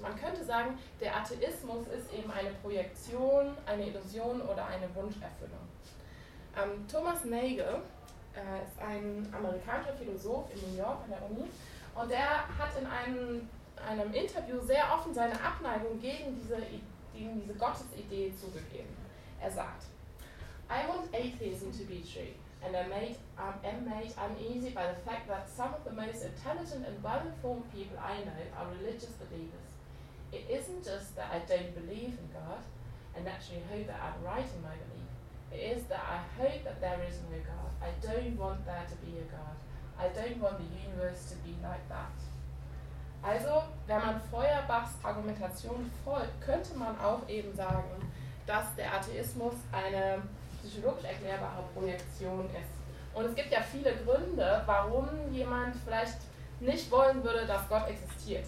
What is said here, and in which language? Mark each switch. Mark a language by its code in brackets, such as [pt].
[de] Man könnte sagen, der Atheismus ist eben eine Projektion, eine Illusion oder eine Wunscherfüllung. Thomas Nagel ist ein amerikanischer Philosoph in New York an der Uni und er hat in einem Interview sehr offen seine Abneigung gegen diese Gottesidee zugegeben. Er sagt, [en] I want atheism to be true. And I'm made uneasy by the fact that some of the most intelligent and well-informed people I know are religious believers. It isn't just that I don't believe in God and actually hope that I'm right in my belief. It is that I hope that there is no God. I don't want there to be a God. I don't want the universe to be like that. [de] Also, wenn man Feuerbachs Argumentation folgt, könnte man auch eben sagen, dass der Atheismus eine psychologisch erklärbare Projektion ist Und es gibt ja viele Gründe, warum jemand vielleicht nicht wollen würde, dass Gott existiert.